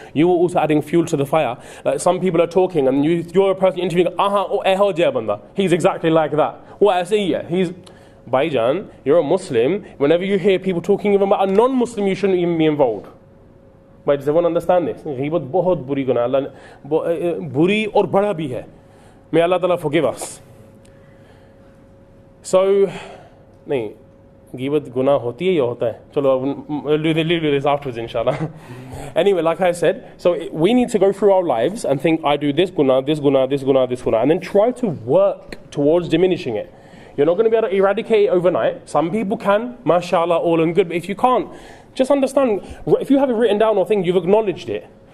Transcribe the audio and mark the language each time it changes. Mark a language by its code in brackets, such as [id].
[en] You are also adding fuel to the fire. Like some people are talking and you're a person interviewing, aha, oh, banda. He's exactly like that. Well, I say, yeah, he's, Bhaijan, you're a Muslim. Whenever you hear people talking even about a non-Muslim, you shouldn't even be involved. But does everyone understand this? [ur] غیبت بہت بری گناہ، بری اور بڑا بھی ہے۔ [en] May Allah Ta'ala forgive us. [ur] So, نہیں، غیبت گناہ ہوتی ہے یا ہوتا ہے؟ [en] Chalo, we'll do this afterwards, inshallah. Anyway, like I said, so we need to go through our lives and think, I do this guna, this guna, this guna, this guna, and then try to work towards diminishing it. You're not going to be able to eradicate it overnight. Some people can, mashallah, all and good. But if you can't, just understand, if you have it written down or thing, you've acknowledged it.